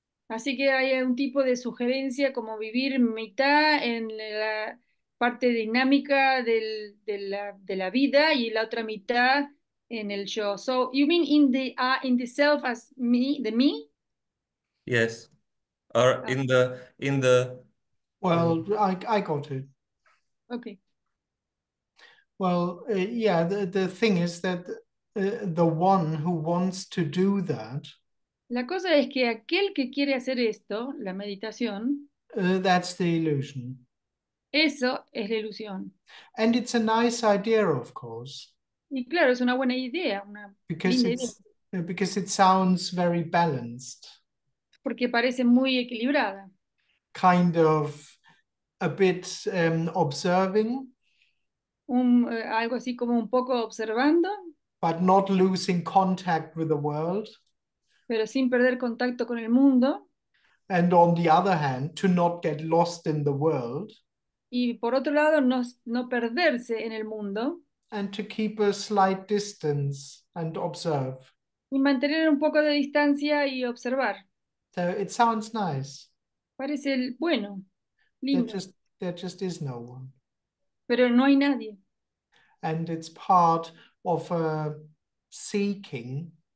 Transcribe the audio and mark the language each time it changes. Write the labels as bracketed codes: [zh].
[es] Así que hay un tipo de sugerencia como vivir mitad en la parte dinámica de la vida y la otra mitad en el yo. [en] So, you mean in the self as me, the me? Yes, or in the Well, I got it. Okay. Well, yeah, the thing is that the one who wants to do that, [es] La cosa es que aquel que quiere hacer esto, la meditación, [en] that's the illusion. [es] eso es la ilusión. [en] And it's a nice idea, of course, [es] Y claro, es una buena idea, una linda idea. [en] because it sounds very balanced. [es] Porque parece muy equilibrada. [en] Kind of a bit observing, [es] Algo así como un poco observando. [en] but not losing contact with the world. [es] Pero sin perder contacto con el mundo. [en] And on the other hand, to not get lost in the world [es] Y por otro lado, no perderse en el mundo. [en] and to keep a slight distance and observe. [es] Y mantener un poco de distancia y observar. [en] So it sounds nice. [es] Parece bueno, [en] There [es] lindo. [en] just is no one. [es] Pero no hay nadie. [en] And it's part of a seeking